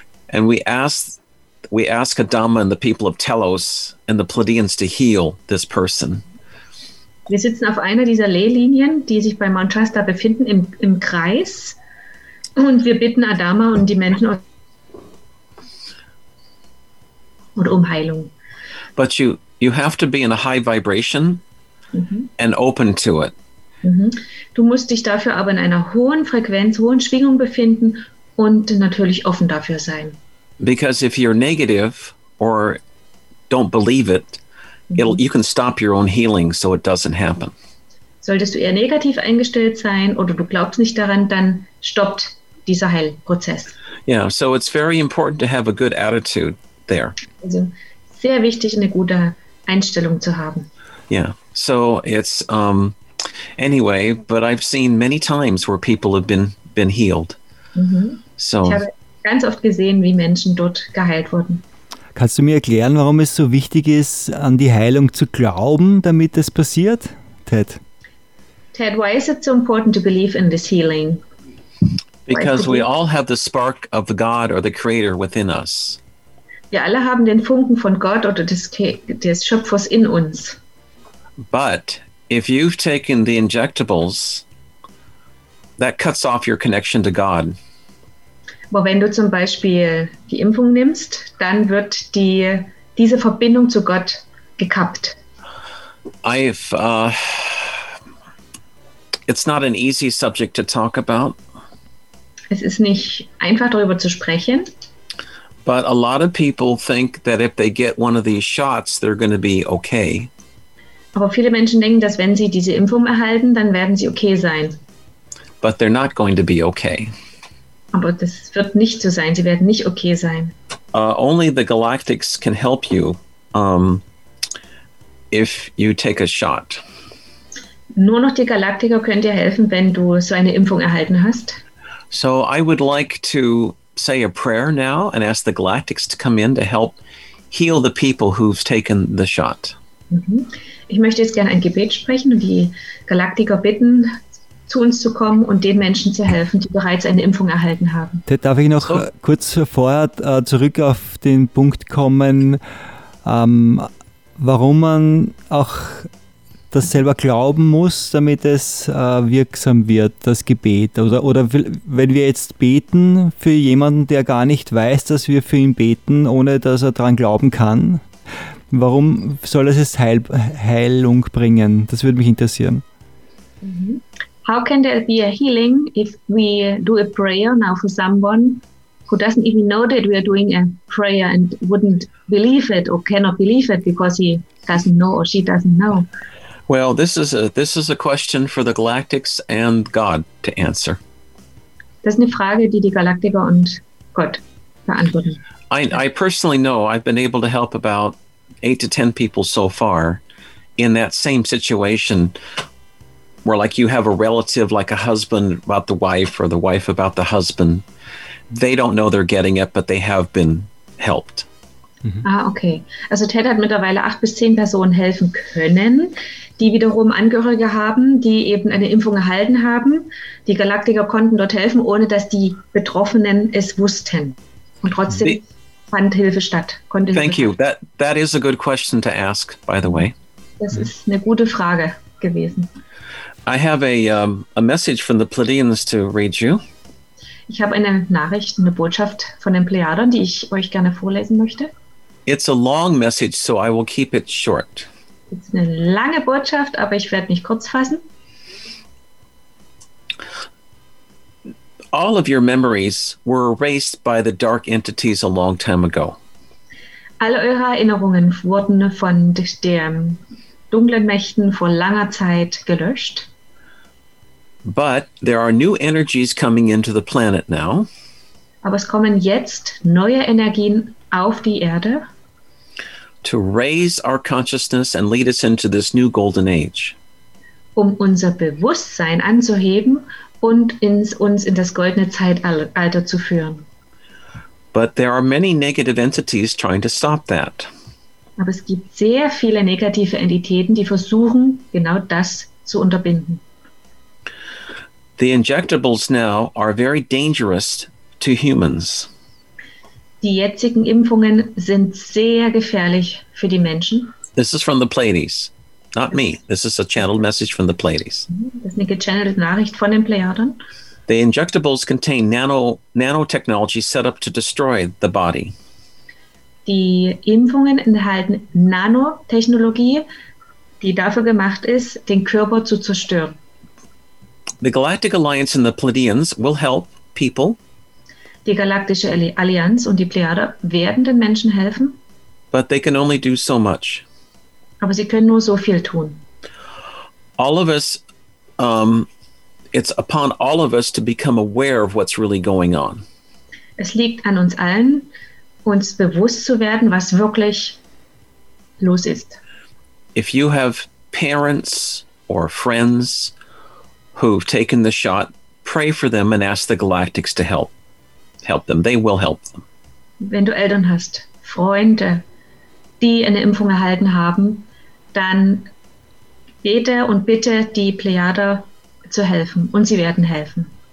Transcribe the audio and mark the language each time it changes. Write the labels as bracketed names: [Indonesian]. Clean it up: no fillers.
[English] And we ask Adama and the people of Telos and the Pleiadians to heal this person. [German] Wir sitzen auf einer dieser Leylinien, die sich bei Mount Shasta befinden, im Kreis. Und wir bitten Adama und die Menschen um Heilung. [English] But you have to be in a high vibration and open to it. [German] Du musst dich dafür aber in einer hohen Frequenz, hohen Schwingung befinden und natürlich offen dafür sein. [English] Because if you're negative or don't believe it, you can stop your own healing so it doesn't happen. [German] Solltest du eher negativ eingestellt sein oder du glaubst nicht daran, dann stoppt dieser Heilprozess. [English] Yeah, so it's very important to have a good attitude there. [German] Also sehr wichtig, eine gute Einstellung zu haben. [English] Yeah, so it's anyway, but I've seen many times where people have been healed. [German] So ich habe ganz oft gesehen, wie Menschen dort geheilt wurden. Kannst du mir erklären, warum es so wichtig ist, an die Heilung zu glauben, damit es passiert, Ted? [English] Ted, why is it so important to believe in this healing? Because we all have the spark of the God or the Creator within us. [German] Wir alle haben den Funken von Gott oder des Schöpfers in uns. [English] But if you've taken the injectables, that cuts off your connection to God. [German] Aber wenn du zum Beispiel die Impfung nimmst, dann wird diese Verbindung zu Gott gekappt. [English] It's not an easy subject to talk about. [German] Es ist nicht einfach, darüber zu sprechen. [English] But a lot of people think that if they get one of these shots, they're going to be okay. [German] Aber viele Menschen denken, dass wenn sie diese Impfung erhalten, dann werden sie okay sein. [English] But they're not going to be okay. [German] Aber das wird nicht so sein. Sie werden nicht okay sein. [English] Only the Galactics can help you if you take a shot. [German] Nur noch die Galaktiker können dir helfen, wenn du so eine Impfung erhalten hast. [English] So I would like to say a prayer now and ask the Galactics to come in to help heal the people who've taken the shot. [German] Ich möchte jetzt gerne ein Gebet sprechen und die Galaktiker bitten, zu uns zu kommen und den Menschen zu helfen, die bereits eine Impfung erhalten haben. Ted, darf ich noch kurz vorher zurück auf den Punkt kommen, warum man auch das selber glauben muss, damit es wirksam wird, das Gebet? Oder wenn wir jetzt beten für jemanden, der gar nicht weiß, dass wir für ihn beten, ohne dass er daran glauben kann, warum soll es Heilung bringen? Das würde mich interessieren. [English] How can there be a healing if we do a prayer now for someone who doesn't even know that we are doing a prayer and wouldn't believe it or cannot believe it because he doesn't know or she doesn't know? Well, this is a question for the Galactics and God to answer. Das ist eine Frage, die die Galaktiker und Gott beantworten. I personally know I've been able to help about 8 to 10 people so far in that same situation. Where like you have a relative, like a husband about the wife or the wife about the husband. They don't know they're getting it, but they have been helped. Mm-hmm. Ah, okay. [German] Also Ted hat mittlerweile 8 bis 10 Personen helfen können, die wiederum Angehörige haben, die eben eine Impfung erhalten haben. Die Galaktiker konnten dort helfen, ohne dass die Betroffenen es wussten. Und trotzdem fand Hilfe statt. [English] That is a good question to ask, by the way. [German] Das ist eine gute Frage gewesen. [English] I have a message from the Pleiadians to read you. [German] Ich habe eine Nachricht, eine Botschaft von den Plejadern, die ich euch gerne vorlesen möchte. [English] It's a long message, so I will keep it short. [German] Das ist eine lange Botschaft, aber ich werde mich kurz fassen. [English] All of your memories were erased by the dark entities a long time ago. [German] Alle eure Erinnerungen wurden von den dunklen Mächten vor langer Zeit gelöscht. [English] But there are new energies coming into the planet now. [German] Aber es kommen jetzt neue Energien auf die Erde. [English] To raise our consciousness and lead us into this new golden age. [German] Um unser Bewusstsein anzuheben und uns in das goldene Zeitalter zu führen. [English] But there are many negative entities trying to stop that. [German] Aber es gibt sehr viele negative Entitäten, die versuchen, genau das zu unterbinden. [English] The injectables now are very dangerous to humans. [German] Die jetzigen Impfungen sind sehr gefährlich für die Menschen. [English] This is from the Pleiades, not me. This is a channeled message from the Pleiades. [German] Das ist eine gechannelte Nachricht von den Plejaden. [English] The injectables contain nanotechnology set up to destroy the body. [German] Die Impfungen enthalten Nanotechnologie, die dafür gemacht ist, den Körper zu zerstören. [English] The Galactic Alliance and the Pleiadians will help people. [German] Die Galaktische Allianz und die Plejader werden den Menschen helfen. [English] But they can only do so much. [German] Aber sie können nur so viel tun. [English] All of us... It's upon all of us to become aware of what's really going on. [German] Es liegt an uns allen, uns bewusst zu werden, was wirklich los ist. [English] If you have parents or friends who've taken the shot, pray for them and ask the Galactics to help them. They will help them. [German] Wenn du Eltern hast, Freunde, die eine Impfung erhalten haben, dann bete und bitte die Plejader zu helfen, und sie werden helfen.